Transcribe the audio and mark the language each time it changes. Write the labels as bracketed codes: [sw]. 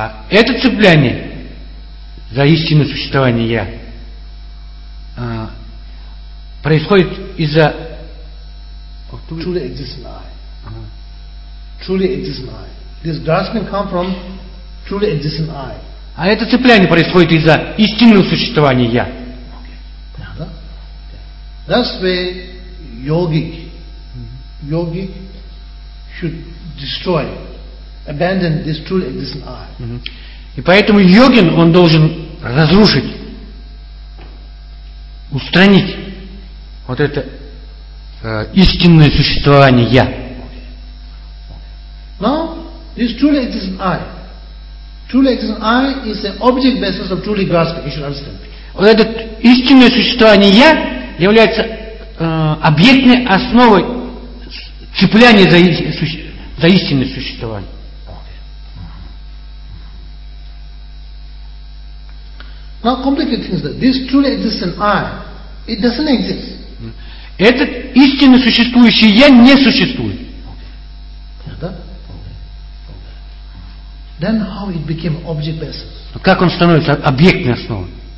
[ru] Это цепляние за истинное существование Я происходит из-за [en] truly existent I. Truly existent I. This grasping comes from truly existent I. [ru] А это цепляние происходит из-за истинного существования Я. [en] That's why yogic, yogic should destroy, abandon this truly existent I. [ru] И поэтому йогин, он должен разрушить, устранить вот это истинное существование Я. [en] Now, this truly existent I. Truly existent I is an object basis of truly grasping, you should understand. [ru] Вот это истинное существование Я является объектной основой цепляния за, за истинное существование. [en] Now complicated things that this truly existent I, it doesn't exist. [ru] Этот истинно существующий Я не существует. [en] Then how it became object basis? [ru] Как он становится объектной основой?